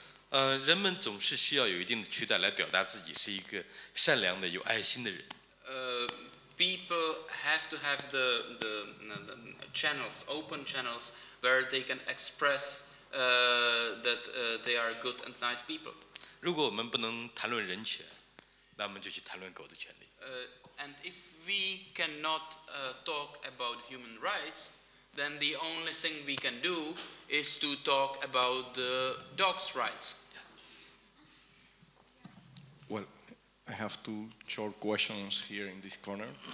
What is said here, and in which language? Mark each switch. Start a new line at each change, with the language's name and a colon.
English: People have to have the channels, open channels, where they can express that they are good and nice people.
Chinese: 如果我们不能谈论人权，那我们就去谈论狗的权利。
English: And if we cannot talk about human rights, then the only thing we can do is to talk about the dog's rights. Well, I have two short questions here in this corner.